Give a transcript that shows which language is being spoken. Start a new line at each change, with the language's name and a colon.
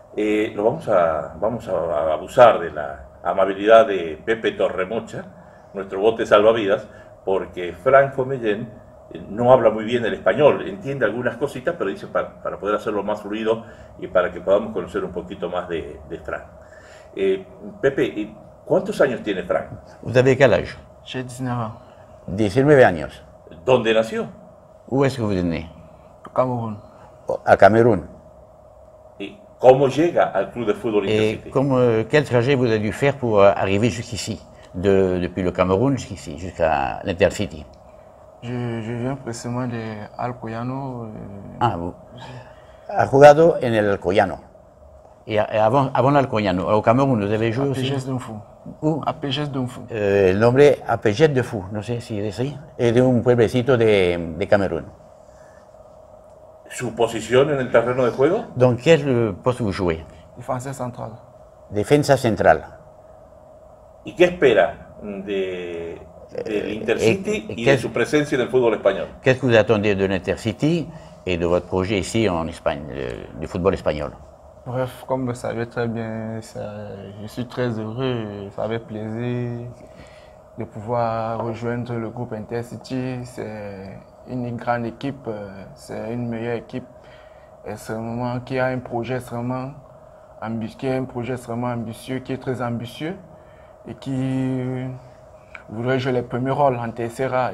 Spanish: Vamos a abusar de la amabilidad de Pepe Torremocha, nuestro bote salvavidas, porque Frank Fomeyel no habla muy bien el español, entiende algunas cositas, pero dice para poder hacerlo más fluido y para que podamos conocer un poquito más de Frank. Pepe, ¿cuántos años tiene Frank? ¿Usted de qué edad? Yo 19. 19 años. ¿Dónde nació? Uesgubiné. Camerún. A Camerún. ¿Y cómo llega al Club de Fútbol Intercity? ¿Cómo, qué trayecto
French: vous avez dû faire pour arriver jusqu'ici, depuis le Cameroun jusqu'ici, jusqu'à l'Intercity? Je viens précisément de Alcoyano.
Spanish: Ha jugado en el Alcoyano.
French: Et avant l'Alcoyano, au Cameroun, vous avez joué aussi? Pégès d'un fou. Où? À Pégès d'un fou. Le nom est à Pégès d'un fou, je ne sais pas si c'est ça. Et d'un pueblecito de Cameroun.
Spanish: Su posición en el terreno de juego?
French: Donc, quel poste vous jouez? Défense centrale. Défense centrale.
Spanish: ¿Y qué espera
French: de l'Intercity et
Spanish: de su presencia en el fútbol español?
French: Qu'est-ce que vous attendez de l'Intercity et de votre projet ici en Espagne, du football espagnol? Bref, comme vous savez très bien, je suis très heureux, ça fait plaisir de pouvoir rejoindre le groupe Intercity. C'est une grande équipe, c'est une meilleure équipe extrêmement, qui a un projet extrêmement ambitieux, qui est très ambitieux et qui voudrait jouer les premiers rôles en TCRA.